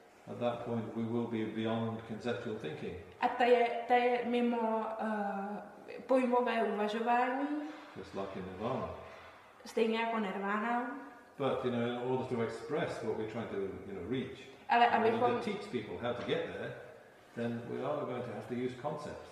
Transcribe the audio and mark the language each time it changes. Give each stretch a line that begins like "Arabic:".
English: At that point, we will be beyond conceptual thinking.
Czech: A ta je mimo pojmové uvažování.
English: Just like in nirvana.
Czech: Stejně jako nirvana.
English: But you know, in order to express what we're trying to, you know, reach.
Czech: Ale abychom
English: teach people how to get there, then we are going to have to use concepts.